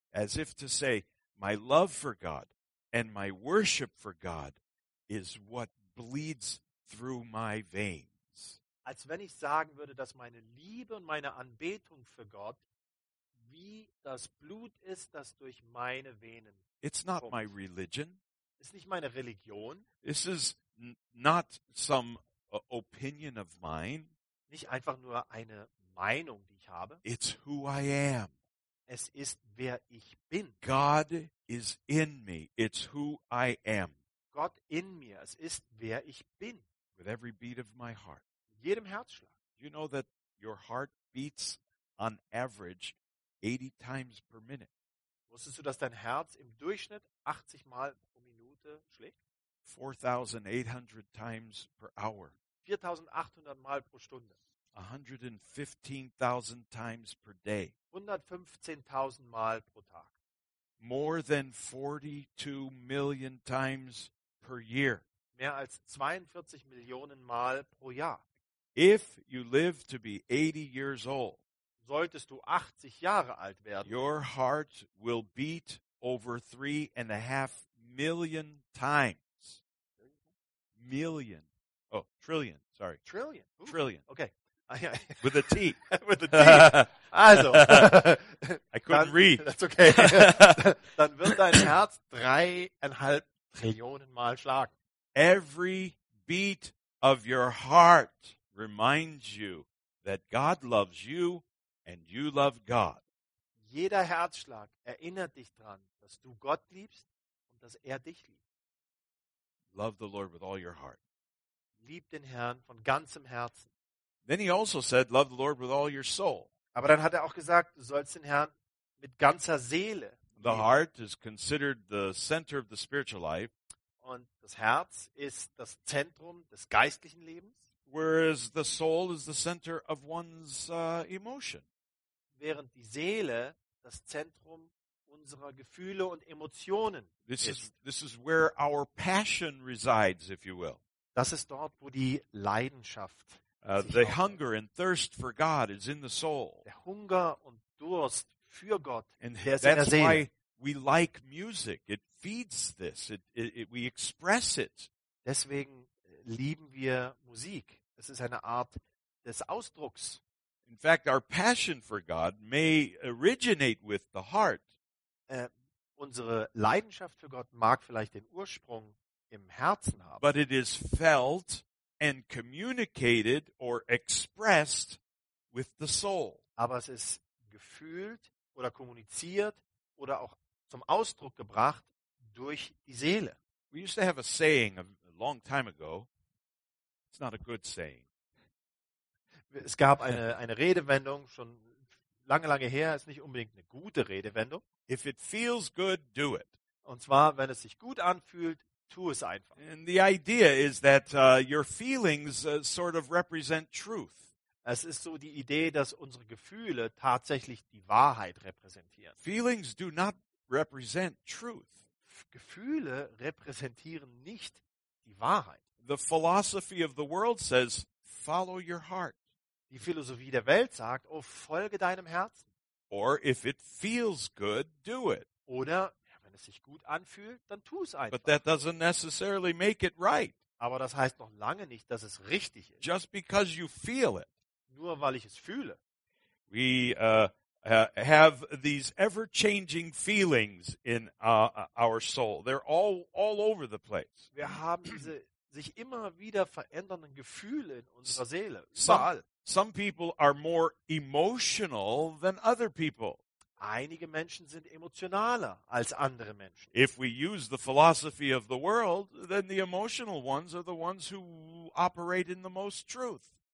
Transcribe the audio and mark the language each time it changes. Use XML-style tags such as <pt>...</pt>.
<en>As if to say, my love for God and my worship for God is what bleeds through my veins.</en> <de>Als wenn ich sagen würde, dass meine Liebe und meine Anbetung für Gott wie das Blut ist, das durch meine Venen kommt.</de> <en>It's not my religion.</en> <de>Ist nicht meine Religion.</de> <en>This is not some opinion of mine.</en> <de>Nicht einfach nur eine Meinung, die ich habe.</de> <en>It's who I am.</en> <de>Es ist, wer ich bin.</de> <en>God is in me. It's who I am.</en> <de>Gott in mir. Es ist, wer ich bin.</de> <en>With every beat of my heart.</en> <de>Mit jedem Herzschlag.</de> <en>You know that your heart beats on average 80 times per minute.</en> <de>Wusstest du, dass dein Herz im Durchschnitt 80 Mal pro Minute schlägt?</de> <en>4,800 times per hour.</en> <de>4,800 Mal pro Stunde.</de> <en>115,000 times per day.</en> <de>115,000 Mal pro Tag.</de> <en>More than 42 million times per year.</en> <de>Mehr als 42 Millionen Mal pro Jahr.</de> <en>If you live to be 80 years old,</en> <de>solltest du 80 Jahre alt werden,</de> <en>your heart will beat over 3.5 million times. Million. Oh, trillion, sorry. Trillion. Ooh. Trillion. Okay. With a T. With a T. Also. I couldn't</en> <de>dann,</de> <en>read. That's okay.</en> <de>Dann wird dein Herz 3.5 trillionen Mal schlagen.</de> <en>Every beat of your heart reminds you that God loves you and you love God.</en> <de>Jeder Herzschlag erinnert dich dran, dass du Gott liebst und dass er dich liebt.</de> <en>Love the Lord with all your heart.</en> <de>Lieb den Herrn von ganzem Herzen.</de> <en>Then he also said, love the Lord with all your soul.</en> <de>Aber dann hat auch gesagt, du sollst den Herrn mit ganzer Seele lieben.</de> <en>The heart is considered the center of the spiritual life.</en> <de>Und das Herz ist das Zentrum des geistlichen Lebens.</de> <en>Whereas the soul is the center of one's emotion.</en> <de>Während die Seele das Zentrum unserer Gefühle und Emotionen.</de> <en>This is where our passion resides, if you will.</en> <de>Das ist dort, wo die Leidenschaft.</de> <en>The hunger and thirst for God is in the soul.</en> <de>Der Hunger und Durst für Gott.</de> <en>And</en> <de>der ist</de> <en>that's</en> <de>in der Seele.</de> <en>Why we like music. It feeds this. It we express it.</en> <de>Deswegen lieben wir Musik. Es ist eine Art des Ausdrucks.</de> <en>In fact, our passion for God may originate with the heart.</en> <de>Unsere Leidenschaft für Gott mag vielleicht den Ursprung im Herzen haben.</de> <en>But it is felt and communicated or expressed with the soul.</en> <de>Aber es ist gefühlt oder kommuniziert oder auch zum Ausdruck gebracht durch die Seele.</de> <en>We used to have a saying a long time ago. It's not a good saying.</en> <de>Es gab eine Redewendung schon lange, lange her, ist nicht unbedingt eine gute Redewendung.</de> <en>If it feels good, do it.</en> <de>Und zwar, wenn es sich gut anfühlt, tu es einfach.</de> <en>And the idea is that your feelings sort of represent truth.</en> <de>Es ist so die Idee, dass unsere Gefühle tatsächlich die Wahrheit repräsentieren.</de> <en>Feelings do not represent truth.</en> <de>Gefühle repräsentieren nicht die Wahrheit.</de> <en>The philosophy of the world says, follow your heart.</en> <de>Die Philosophie der Welt sagt, oh, folge deinem Herzen.</de> <en>Or if it feels good, do it.</en> <de>Oder wenn es sich gut anfühlt, dann tu es einfach.</de> <en>But that doesn't necessarily make it right.</en> <de>Aber das heißt noch lange nicht, dass es richtig ist.</de> <en>Just because you feel it.</en> <de>Nur weil ich es fühle.</de> <en>We have these ever-changing feelings in our soul. They're all over the place.</en> <de>Wir haben diese sich immer wieder verändernden Gefühle in unserer Seele.</de> <en>Some people are more emotional than other people.</en> <de>einige Menschen sind emotionaler als andere Menschen.</de> <en>If we use the philosophy of the world, then the emotional ones are the ones who operate in the most truth.</en>